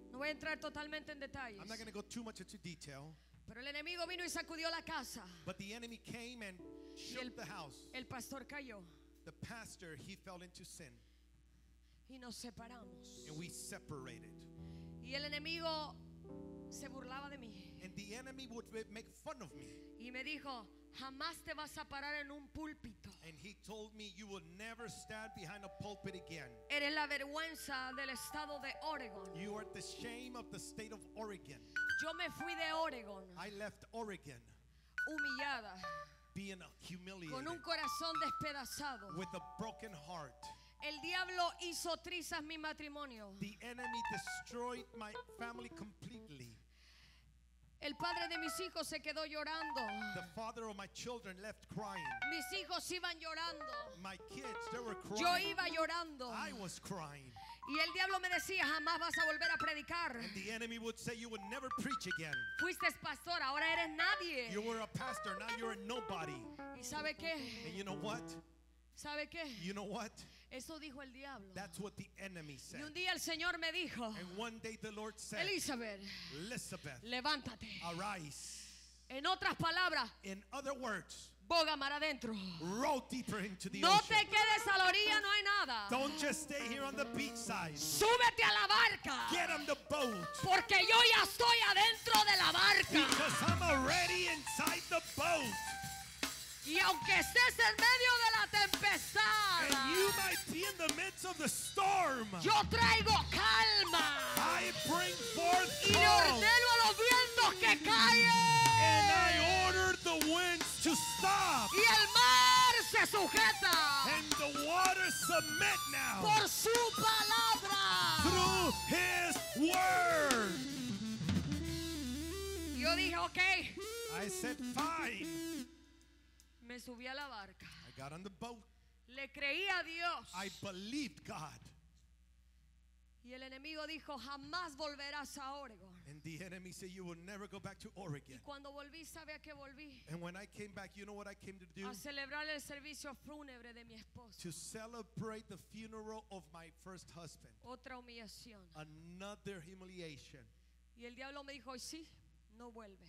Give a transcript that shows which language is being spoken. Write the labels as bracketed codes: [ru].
[en] I'm not going to go too much into detail. [es] Pero el enemigo vino y sacudió la casa. [en] But the enemy came and shook the house. [es] El pastor cayó. [en] The pastor, he fell into sin. [es] Y nos separamos. [en] And we separated. [es] Y el enemigo se burlaba de mí. [en] And the enemy would make fun of me. [es] Y me dijo, jamás te vas a parar en un púlpito. [en] And he told me, you will never stand behind a pulpit again. [es] Eres la vergüenza del estado de Oregon. [en] You are the shame of the state of Oregon. [es] Yo me fui de Oregon. [en] I left Oregon. [es] Humillada. [en] Being humiliated. [es] Con un corazón despedazado. [en] With a broken heart. [es] El diablo hizo trizas mi matrimonio. [en] The enemy destroyed my family completely. [es] El padre de mis hijos se quedó llorando. [en] The father of my children left crying. [es] Mis hijos iban llorando. [en] My kids, they were crying. [es] Yo iba llorando. [en] I was crying. [es] Y el diablo me decía, jamás vas a volver a predicar. [en] And the enemy would say, you would never preach again. [es] Fuiste pastor, ahora eres nadie. [en] You were a pastor, now you're a nobody. [es] ¿Y sabe qué? [en] And you know what? [es] ¿Sabe qué? [en] You know what? [es] Eso dijo el diablo. [en] That's what the enemy said. [es] Y un día el Señor me dijo, [en] and one day the Lord said, [es] Elizabeth, [en] Elizabeth, [es] levántate. [en] Arise. [es] En otras palabras, [en] in other words, [es] boga mar adentro. [en] Row deeper into the [es] no [en] ocean. [es] Te quedes a la orilla, no hay nada. [en] Don't just stay here on the beach side. [es] Súbete a la barca. [en] Get on the boat. [es] Porque yo ya estoy adentro de la barca. [en] Because I'm already inside the boat. [es] Y aunque estés en medio de la tempestad, [en] and you might be in the midst of the storm, [es] yo traigo calma. [en] I bring forth calm. [es] Y le ordeno a los vientos que callen. [en] And I order the winds to stop. [es] Y el mar se sujeta. [en] And the waters submit now. [es] Por su palabra. [en] Through his word. [es] Yo dije, okay. [en] I said, fine. [es] Me subí a la barca. [en] I got on the boat. [es] Le creí a Dios. [en] I believed God. [es] Y el enemigo dijo, jamás volverás a Oregon. [en] And the enemy said, you will never go back to Oregon. [es] Y cuando volví, sabía que volví. [en] And when I came back, you know what I came to do? [es] A celebrar el servicio fúnebre de mi esposo. [en] To celebrate the funeral of my first husband. [es] Otra humillación. [en] Another humiliation. [es] Y el diablo me dijo, sí, no vuelves.